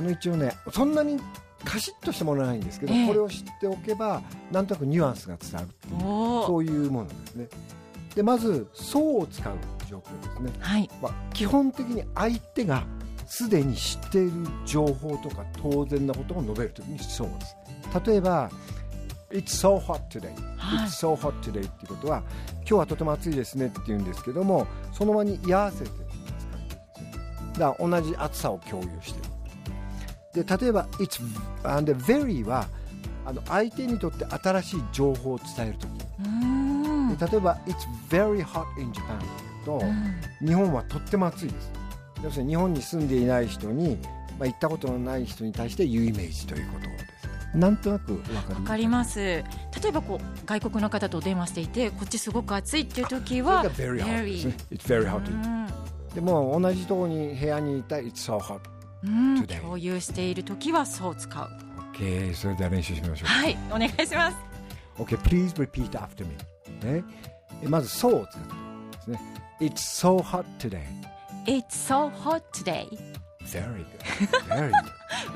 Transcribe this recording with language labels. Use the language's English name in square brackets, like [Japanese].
[Japanese] 一応ね、そんなにカシッとしてもらわないんですけど、これを知っておけばなんとなくニュアンスが伝わるっていう、そういうものですね。でまずそうを使う状況ですね、はい、まあ、基本的に相手がすでに知っている情報とか当然なことを述べるときにそうです。 [English] 例えばIt's so hot today. It's so hot today. [Japanese] っていうことは、今日はとても暑いですねって言うんですけども、その場に居合わせて使いますね。だから同じ暑さを共有してる。で、例えば [English] It's and very [Japanese] は、相手にとって新しい情報を伝えるとき。例えば [English] It's very hot in Japan [Japanese] って言うと、日本はとっても暑いです。要するに日本に住んでいない人に、まあ、行ったことのない人に対して言うイメージということ。なんとなく分かります。例えばこう外国の方と電話していて、こっちすごく暑いっていう時は [English] very hot [Japanese] ですね。 [English] It's very hot、 [Japanese] でも同じところに部屋にいた [English] It's so hot today、 [Japanese] 共有している時はそう使う。 OK、 それでは練習しましょう。はい、お願いします。 [English] OK、 Please repeat after me、 [Japanese] ね、まずそうを使ってですね。 [English] It's so hot today. It's so hot today. Very good, very good.